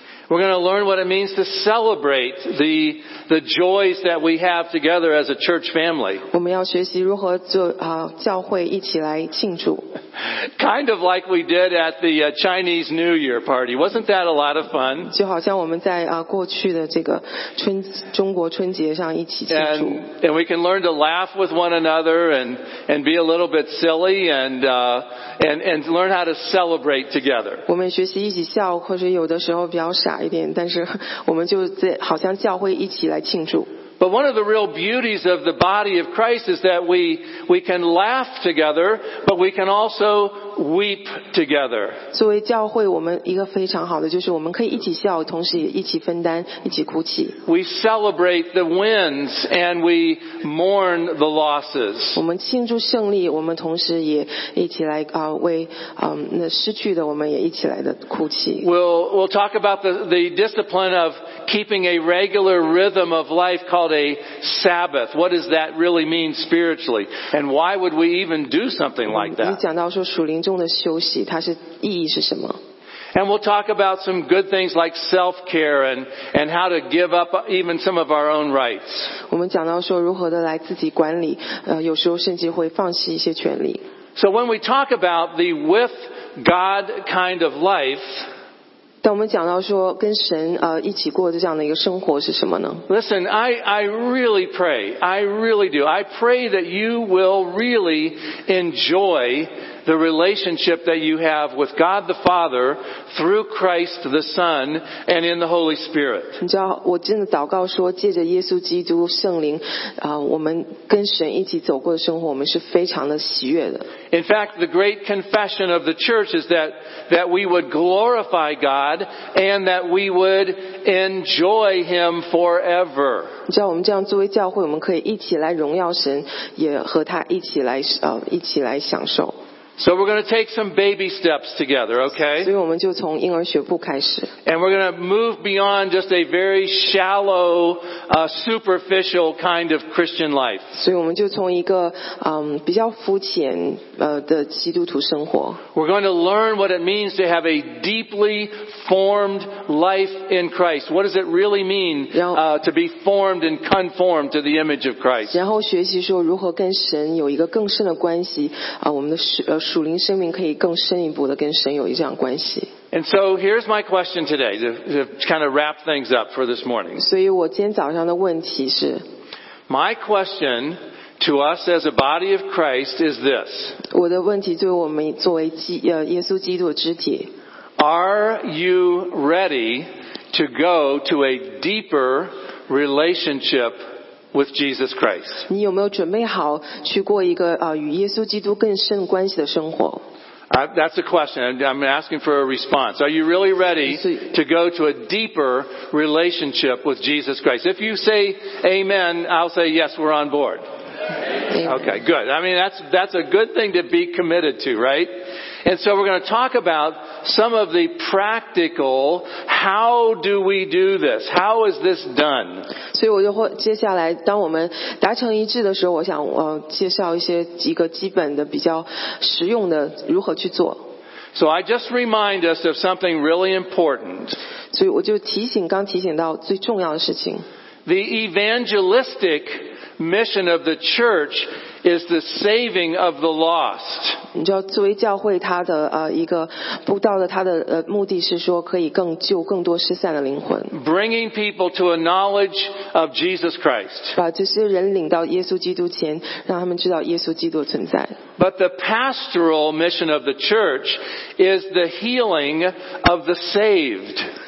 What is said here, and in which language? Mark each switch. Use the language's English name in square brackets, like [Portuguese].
[English] We're going to learn what it means to celebrate the joys that we have together as a church family. [Chinese] 我们要学习如何做教会一起来庆祝。 [English] Kind of like we did at the Chinese New Year party. Wasn't that a lot of fun? [Chinese] 就好像我们在过去的这个中国春节上一起庆祝。 [English] And we can learn to laugh with one another and be a little bit silly and learn how to celebrate together. [Chinese] 我们学习一起笑，或者有的时候比较傻一点，但是我们就在好像教会一起来庆祝。 [English] But one of the real beauties of the body of Christ is that we can laugh together, but we can also weep together. [Chinese] 作为教会，我们一个非常好的就是我们可以一起笑，同时也一起分担，一起哭泣。 [English] We celebrate the wins and we mourn the losses. [Chinese] 我们庆祝胜利，我们同时也一起来为那失去的，我们也一起来的哭泣。 [English] We'll talk about the discipline of keeping a regular rhythm of life called a Sabbath. What does that really mean spiritually? And why would we even do something like that? [Chinese] 你讲到说属灵中的休息，它是意义是什么？ [English] And we'll talk about some good things like self-care and how to give up even some of our own rights. [Chinese] 我们讲到说如何的来自己管理，有时候甚至会放弃一些权利。 [English] So when we talk about the with God kind of life, [Chinese] 当我们讲到说跟神一起过的这样的一个生活是什么呢？ [English] Listen, I really pray, I really do. I pray that you will really enjoy the relationship that you have with God the Father through Christ the Son and in the Holy Spirit. [Chinese] 你知道，我真的祷告说，借着耶稣基督圣灵，我们跟神一起走过的生活，我们是非常的喜悦的。 [English] In fact, the great confession of the church is that we would glorify God and that we would enjoy Him forever. [Chinese] 你知道，我们这样作为教会，我们可以一起来荣耀神，也和他一起来享受。 [English] So we're going to take some baby steps together, okay? [Chinese] 所以我们就从婴儿学步开始。 [English] And we're going to move beyond just a very shallow, superficial kind of Christian life. [Chinese] 所以我们就从一个比较肤浅的基督徒生活。 [English] We're going to learn what it means to have a deeply formed life in Christ. What does it really mean, to be formed and conformed to the image of Christ? [Chinese] 然后学习说如何跟神有一个更深的关系我们的属灵生命可以更深一步的跟神有这样关系。 [English] And so here's my question today, to kind of wrap things up for this morning. [Chinese] 所以我今天早上的问题是 [English] My question to us as a body of Christ is this. [Chinese] 我的问题对我们作为耶稣基督的肢体 [English] Are you ready to go to a deeper relationship with Jesus Christ? [Chinese] 你有没有准备好去过一个与耶稣基督更深关系的生活？ [English] That's a question. I'm asking for a response. Are you really ready to go to a deeper relationship with Jesus Christ? If you say amen, I'll say yes, we're on board. Amen. Okay, good. I mean, that's a good thing to be committed to, right? And so we're going to talk about some of the practical, how do we do this? How is this done? [Chinese] 所以我就会接下来当我们达成一致的时候我想介绍一些一个基本的比较实用的如何去做。 [English] So I just remind us of something really important. [Chinese] 所以我就提醒刚提醒到最重要的事情。 [English] The evangelisticmission of the church is the saving of the lost. [Chinese] 你知道作为教会它的一个布道的它的目的是说可以更救更多失散的灵魂。 [English] Bringing people to a knowledge of Jesus Christ. [Chinese] 把这些人领到耶稣基督前让他们知道耶稣基督存在。 [English] But the pastoral mission of the church is the healing of the saved.